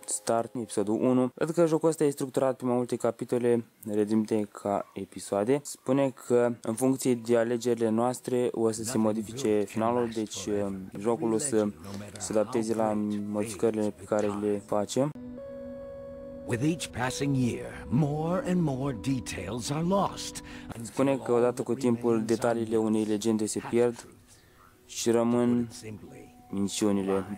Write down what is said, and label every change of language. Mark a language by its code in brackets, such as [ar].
[ro] Start, episodul 1. Văd că jocul ăsta e structurat pe mai multe capitole, redimite ca episoade. Spune că în funcție de alegerile noastre o să se modifice finalul, deci jocul o să se adapteze la modificările pe care le facem. [en] With each passing year, more and more details are lost. [ro] Spune că odată cu timpul, detaliile unei legende se pierd și rămân minciunile.